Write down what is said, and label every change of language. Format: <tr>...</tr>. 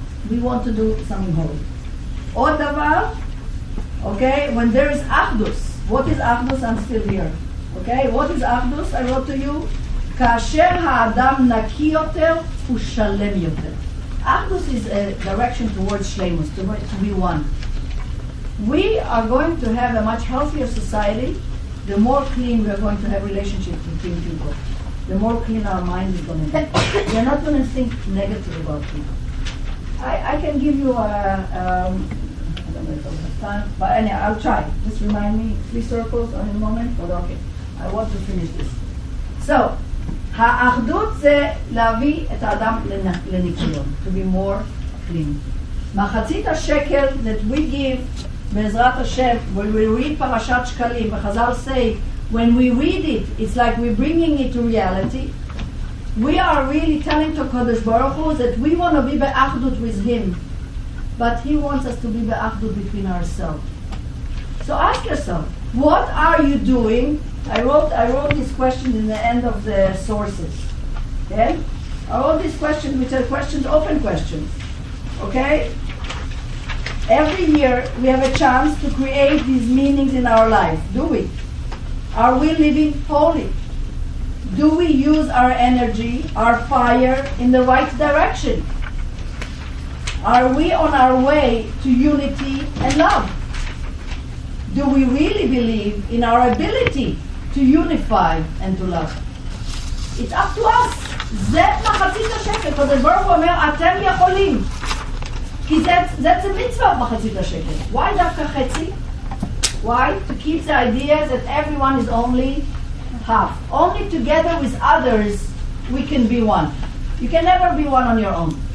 <en>We want to do something holy.</en> <he>עוד דבר,</he> <en>okay, when there is achdus, what is achdus? I'm still here. Okay, what is achdus? I wrote to you,</en> <he>כאשר האדם נקי יותר, הוא שלם יותר.</he> <en>Achdus is a direction towards shleimus, to be one. We are going to have a much healthier society the more clean we are going to have relationships between people. The more clean our mind is going to be. We're not going to think negative about people. I can give you a... I don't know if I have time. But anyway, I'll try. Just remind me. 3 circles in a moment. But okay. I want to finish this.</en> <he>So, האחדות זה להביא את האדם לניקיון.</he> <en>To be more clean. מחצית השקל that we give</en> <he>בעזרת השם,</he> <en>when we read</en> <he>פרשת שקלים,</he> <en>וחזל say, when we read it, it's like we're bringing it to reality. We are really telling to Kodesh Baruch Hu that we want to be be'achdut with him. But he wants us to be be'achdut between ourselves. So ask yourself, what are you doing? I wrote this question in the end of the sources. Okay? I wrote this question, which are questions, open questions. Okay? Every year, we have a chance to create these meanings in our life. Do we? Are we living holy? Do we use our energy, our fire, in the right direction? Are we on our way to unity and love? Do we really believe in our ability to unify and to love? It's up to us.</en> <he>זאת מחצית השקל, כי זה ברוך הוא אומר, אתם יכולים. כי זאת המצווה מחצית השקל.</he> <en>Why</en> <he>דווקא חצי?</he> <en>Why? To keep the idea that everyone is only half. Only together with others we can be one. You can never be one on your own.</en>